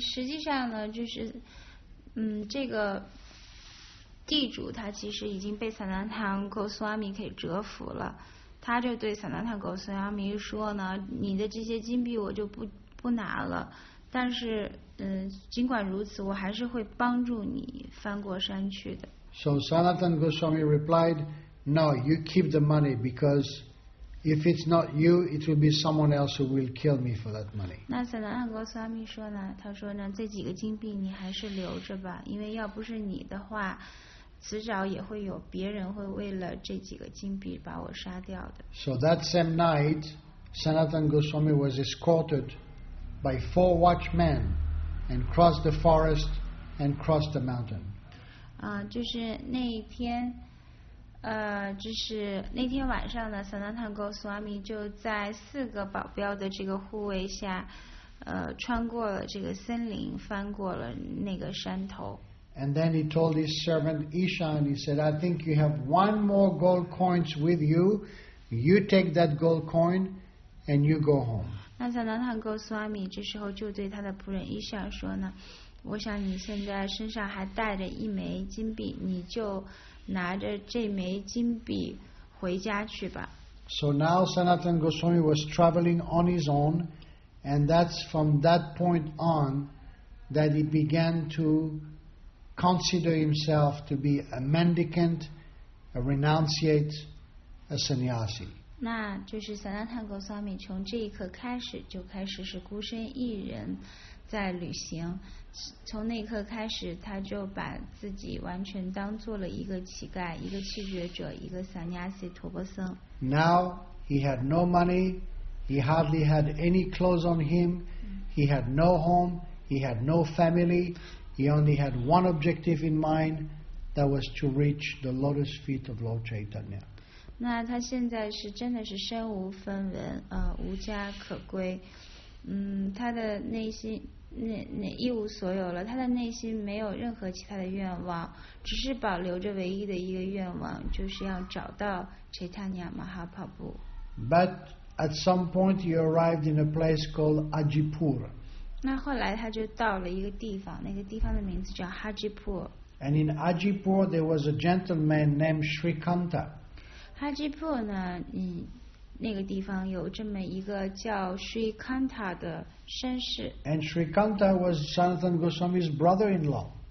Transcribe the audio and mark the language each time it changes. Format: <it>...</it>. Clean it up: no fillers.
<zh>实际上呢，就是，这个地主他其实已经被 Sanat Kang Goswami 给折服了。他就对 Sanat Kang Goswami 说呢，你的这些金币我就不拿了。但是尽管如此，我还是会帮助你翻过山去的。</zh> <en>So Sanat Kang Goswami replied, no, you keep the money because if it's not you, it will be someone else who will kill me for that money.</en> <zh>那 Sanat Kang Goswami 说呢，他说呢，这几个金币你还是留着吧，因为要不是你的话，迟早也会有别人会为了这几个金币把我杀掉的。</zh> <en>So that same night, Sanat Kang Goswami was escortedby 4 watchmen and crossed the forest and crossed the mountain.</en> <zh>就是那一天就是那天晚上呢 Sanat Kang Goswami 就在四个保镖的这个护卫下穿过了这个森林，翻过了那个山头。</zh> <en>And then he told his servant Ishan, he said, I think you have 1 more gold coins with you. You take that gold coin and you go home.</en> <zh>那萨南坦戈苏阿米这时候就对他的仆人伊尚说呢，我想你现在身上还带着一枚金币，你就拿着这枚金币回家去吧。</zh> <en>So now Sanat Kang Goswami was traveling on his own And that's from that point on that he began to consider himself to be a mendicant, a renunciate, a sannyasi.</en> <zh>那就是萨拉坦戈萨米从这一刻开始就开始是孤身一人在旅行，从那一刻开始他就把自己完全当做了一个乞丐，一个弃绝者，一个萨尼亚西陀波僧。</zh> <en>Now he had no money, he hardly had any clothes on him, he had no home, he had no family, he only had one objective in mind, that was to reach the lotus feet of Lord Chaitanya.</en> <zh>那他现在是真的是身无分文，无家可归，他的内心那一无所有了，他的内心没有任何其他的愿望，只是保留着唯一的一个愿望，就是要找到 Chaitanya Mahaprabhu。</zh> <en>But at some point he arrived in a place called Ajipur.</en> <zh>那后来他就到了一个地方，那个地方的名字叫 Ajipur.</zh> <en>And in Ajipur there was a gentleman named Shrikanta.</en> <zh>哈吉普呢，那个地方有这么一个叫 Shrikanta 的绅士。</zh> <en>And Shrikanta was Sanatana Goswami's brother-in-law.</en>